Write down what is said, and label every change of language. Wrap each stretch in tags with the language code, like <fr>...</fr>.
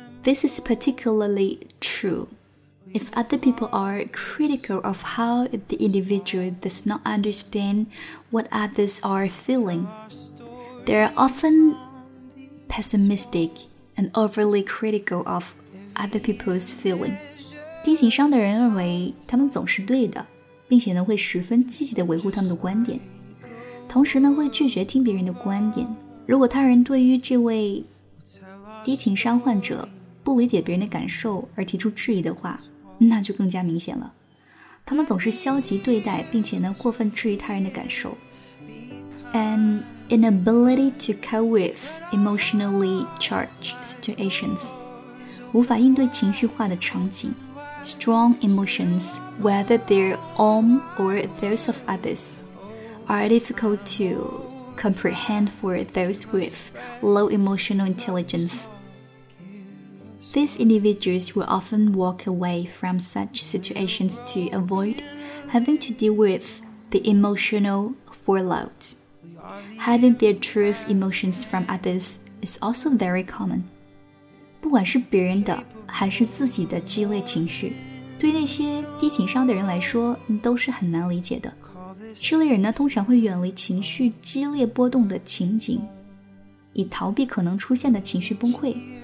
<en>This is particularly true if other people are critical of how the individual does not understand what others are feeling. They are often pessimistic and overly critical of other people's feeling.</en> <zh>低情商的人认为他们总是对的，并且呢会十分积极地维护他们的观点，同时呢会拒绝听别人的观点。如果他人对于这位低情商患者不理解别人的感受而提出质疑的话，那就更加明显了。他们总是消极对待，并且呢过分质疑他人的感受。</zh> <en>An inability to cope with emotionally charged situations，</en> <zh>无法应对情绪化的场景。</zh> <en>Strong emotions, whether their own or those of others, are difficult to comprehend for those with low emotional intelligence. These individuals will often walk away from such situations to avoid having to deal with the emotional fallout. Hiding their true emotions from others is also very common.</en> <zh>不管是别人的还是自己的激烈情绪，对那些低情商的人来说都是很难理解的。这类人呢，通常会远离情绪激烈波动的情景，以逃避可能出现的情绪崩溃。</zh>